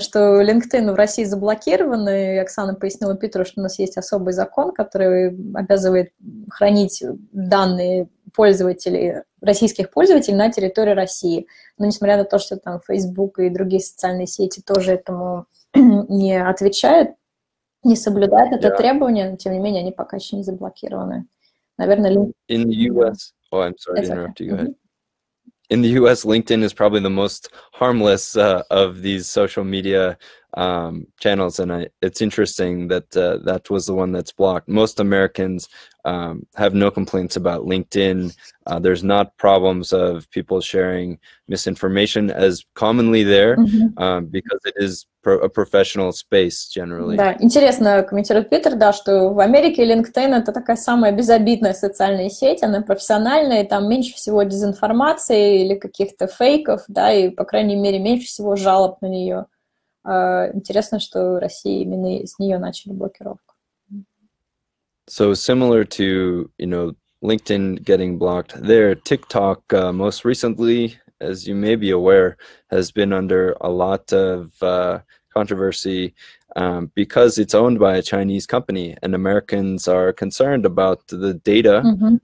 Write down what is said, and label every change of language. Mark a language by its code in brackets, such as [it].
[ru] что LinkedIn в России заблокирован, и Оксана пояснила Питеру, что у нас есть особый закон, который обязывает хранить данные пользователей, российских пользователей на территории России. Но несмотря на то, что там Facebook и другие социальные сети тоже этому не отвечают, не соблюдают это yeah. требование, но тем не менее они пока еще не заблокированы. Наверное, LinkedIn... [en] In the US... Oh, I'm sorry to interrupt you, go ahead. In the US, LinkedIn is probably the most harmless of these social media channels, and it's interesting that that was the one that's blocked. Most Americans have no complaints about LinkedIn. There's not problems of people sharing misinformation as commonly there, mm-hmm. Because it is a professional space generally. [ru] Да, интересно, комментирует Питер, да, что в Америке LinkedIn это такая самая безобидная социальная сеть, она профессиональная, там меньше всего дезинформации или каких-то фейков, да, и, по крайней мере, меньше всего жалоб на нее. Интересно, что Россия именно с нее начали блокировку. [en] So similar to, you know, LinkedIn getting blocked there, TikTok most recently, as you may be aware, has been under a lot of controversy because it's owned by a Chinese company, and Americans are concerned about the data, mm-hmm.